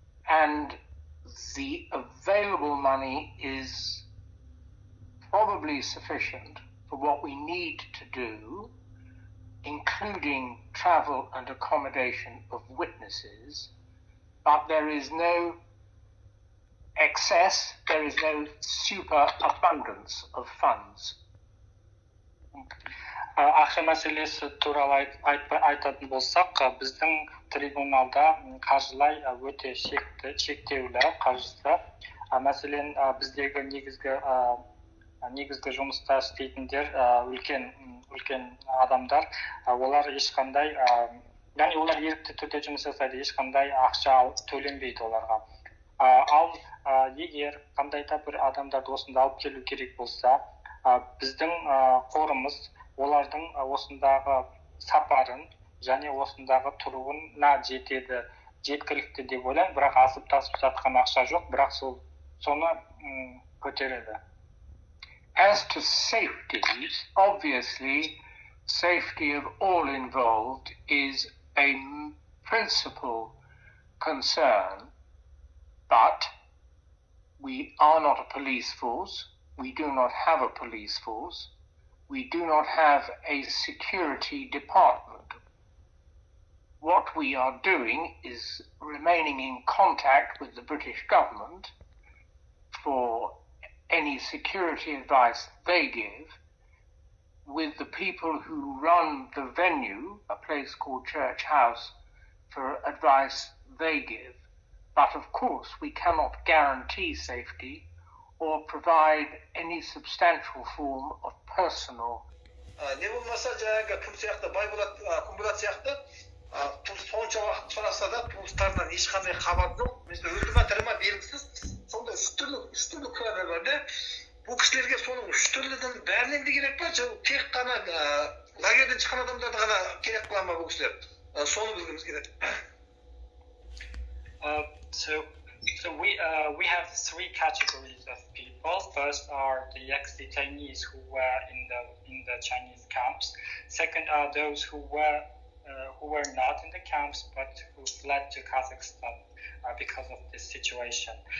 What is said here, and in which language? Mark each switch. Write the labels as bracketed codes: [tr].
[en] and the available money is probably sufficient for what we need to do, including travel and accommodation of witnesses, but there is no excess, there is no superabundance of funds. [kk] Ақша мәселесі туралы айтатын болсақ, біздің трибуналда қаржылай өте шектеулі қаржысы. Мәселен, біздегі негізгі жұмыста істейтіндер үлкен адамдар, олар ешқандай, яғни олар ерікті түрде жұмыс жасайды, ешқандай ақша төленбейді оларға. Ал егер қандай да бір адамдарды осында алып келу керек болса, біздің қорымыз олардың осындағы сапарын және осындағы тұруына жетеді, жеткілікті деп ойлаймын, бірақ асып тасып жатқан ақша жоқ, бірақ сол соны көтереді. [en] As to safety, obviously, safety of all involved is a principal concern, but we are not a police force, we do not have a police force, we do not have a security department. What we are doing is remaining in contact with the British government for any security advice they give, with the people who run the venue, a place called Church House, for advice they give. But of course, we cannot guarantee safety or provide any substantial form of personal. [kk] Не болмаса жаңа кім сияқты, Байболат, Кумбулат сияқты, тұл сонша вақыт сұраса да, туыстардан ешқандай хабар жоқ. Мысалы, өлді ма, тірі ма, белгісіз. Сонда үш түрлі күрәлер бар, да? Бұл кісілерге соның үш түрліден бәрінен де керек па? Тек қана лагерден шыққан адамдарды ғана керек қылады ма бұл кісілер? Соны білгіміз керек. [en] So we have three categories of people. First are the ex-detainees who were in the Chinese camps. Second are those who were not in the camps but who fled to Kazakhstan because of this situation.